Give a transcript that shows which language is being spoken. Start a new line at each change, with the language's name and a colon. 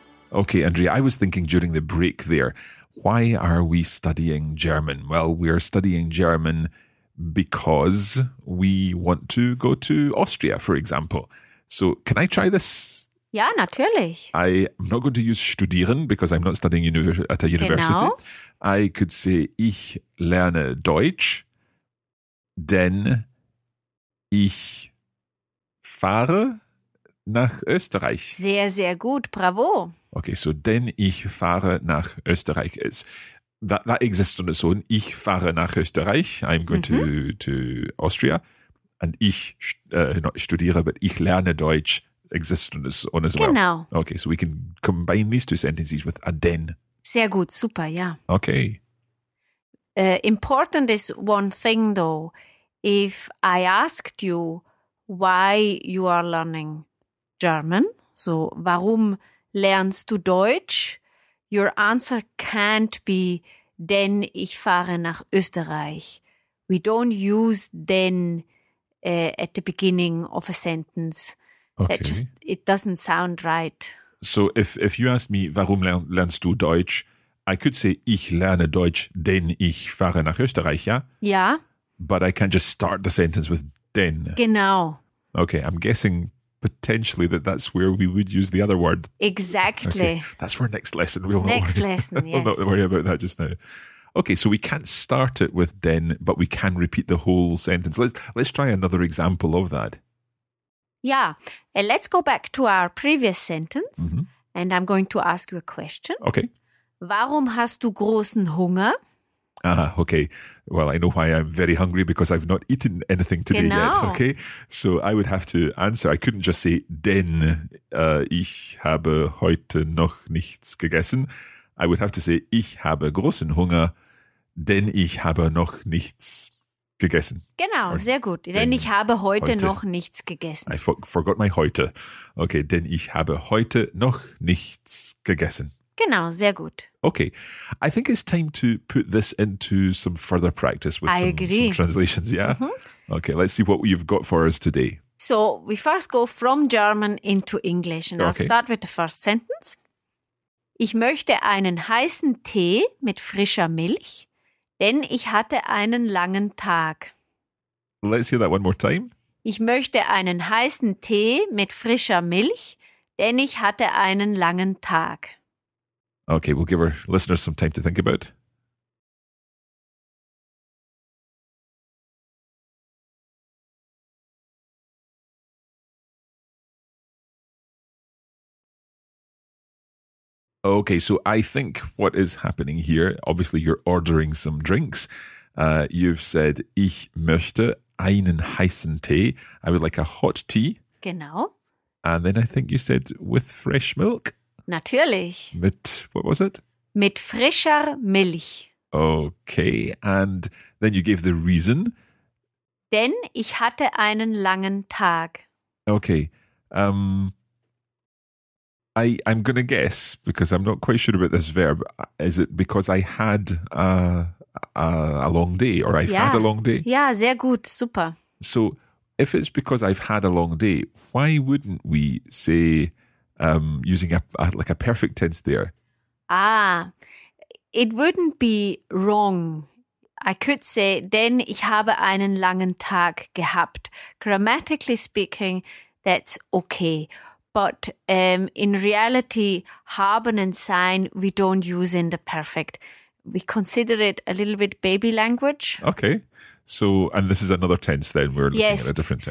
English: Okay, Andrea, I was thinking during the break there, why are we studying German? Well, we are studying German because we want to go to Austria, for example. So can I try this?
German: Ja, natürlich.
English: I'm not going to use studieren because I'm not studying at a university.
German: Genau.
English: I could say,
German: ich lerne Deutsch, denn ich fahre nach Österreich. Sehr, sehr gut. Bravo.
English: Okay, so
German: denn ich fahre nach Österreich.
English: That exists on its own.
German: Ich fahre nach Österreich.
English: I'm going to Austria. And ich not studiere, but
German: ich lerne Deutsch
English: exists on its own as
German: genau. Genau.
English: Okay, so we can combine these two sentences with a denn.
German: Sehr gut, super, ja.
English: Okay. Important is one thing though. If I asked you why you are learning German, so
German: warum lernst du Deutsch?
English: Your answer can't be,
German: denn ich fahre nach Österreich.
English: We don't use denn at the beginning of a sentence. Okay. It doesn't sound right. So if you ask me,
German: warum lernst du Deutsch?
English: I could say,
German: ich lerne Deutsch, denn ich fahre nach Österreich, ja? Ja.
English: But I can't just start the sentence with denn.
German: Genau.
English: Okay, I'm guessing potentially that's where we would use the other word. Exactly. Okay. That's for next lesson. We'll next lesson, yes. We'll not worry about that just now. Okay, so we can't start it with den, but we can repeat the whole sentence. Let's try another example of that. Yeah. Let's go back to our previous sentence. Mm-hmm. And I'm going to ask you a question. Okay.
German: Warum hast du großen Hunger?
English: Ah, okay. Well, I know why I'm very hungry, because I've not eaten anything today genau. yet, okay? So I would have to answer. I couldn't just say,
German: denn ich habe heute noch nichts gegessen.
English: I would have to say,
German: ich habe großen Hunger, denn ich habe noch nichts gegessen. Genau, or, sehr gut. Denn ich habe heute noch nichts gegessen.
English: I forgot my heute.
German: Okay, denn ich habe heute noch nichts gegessen. Genau, sehr gut.
English: Okay, I think it's time to put this into some further practice with some translations, yeah? Mm-hmm. Okay, let's see what you've got for us today. So we first go from German into English, and okay. I'll start with the first sentence.
German: Ich möchte einen heißen Tee mit frischer Milch, denn ich hatte einen langen Tag.
English: Let's hear that one more time.
German: Ich möchte einen heißen Tee mit frischer Milch, denn ich hatte einen langen Tag.
English: Okay, we'll give our listeners some time to think about. Okay, so I think what is happening here, obviously you're ordering some drinks. You've said,
German: ich möchte einen heißen Tee.
English: I would like a hot tea.
German: Genau.
English: And then I think you said, with fresh milk.
German: Natürlich.
English: Mit, what was it?
German: Mit frischer Milch.
English: Okay, and then you gave the reason.
German: Denn ich hatte einen langen Tag.
English: Okay. I'm going to guess, because I'm not quite sure about this verb, is it because I had a long day or I've had a long day?
German: Yeah, sehr gut, super.
English: So if it's because I've had a long day, why wouldn't we say, using a perfect tense there? Ah, it wouldn't be wrong. I could say,
German: denn ich habe einen langen Tag gehabt.
English: Grammatically speaking, that's okay. But in reality, haben and sein, we don't use in the perfect. We consider it a little bit baby language. Okay. So, and this is another tense then. We're looking at a different tense.